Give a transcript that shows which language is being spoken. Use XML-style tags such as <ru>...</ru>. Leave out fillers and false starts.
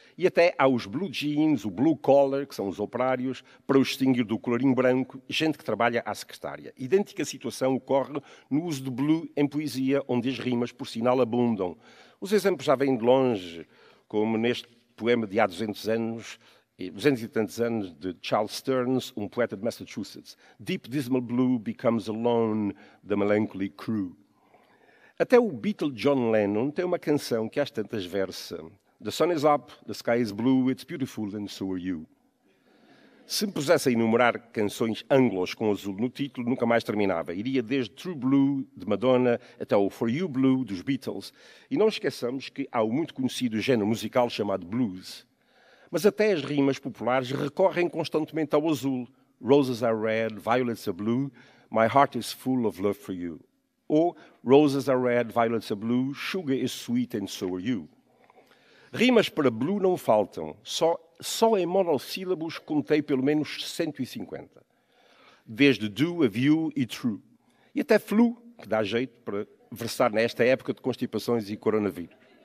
<pt>E até há os blue jeans, o blue collar, que são os operários, para o distinguir do colorinho branco, gente que trabalha à secretária. Idêntica situação ocorre no uso de blue em poesia, onde as rimas, por sinal, abundam. Os exemplos já vêm de longe, como neste poema de há 200 anos, 200 e tantos anos, de Charles Sterns, um poeta de Massachusetts.</pt> <en>Deep dismal blue becomes alone the melancholy crew.</en> <pt>Até o Beatle John Lennon tem uma canção que às tantas versa.</pt> <en>The sun is up, the sky is blue, it's beautiful and so are you.</en> <pt>Se me pusesse a enumerar canções anglos com azul no título, nunca mais terminava. Iria desde True Blue, de Madonna, até o For You Blue, dos Beatles. E não esqueçamos que há o muito conhecido género musical chamado blues. Mas até as rimas populares recorrem constantemente ao azul.</pt> <en>Roses are red, violets are blue, my heart is full of love for you. Ou roses are red, violets are blue, sugar is sweet and so are you.</en> <pt>Rimas para blue não faltam, só em monossílabos contei pelo menos 150. Desde do, of you e true. E até flu, que dá jeito para versar nesta época de constipações e coronavírus.</pt>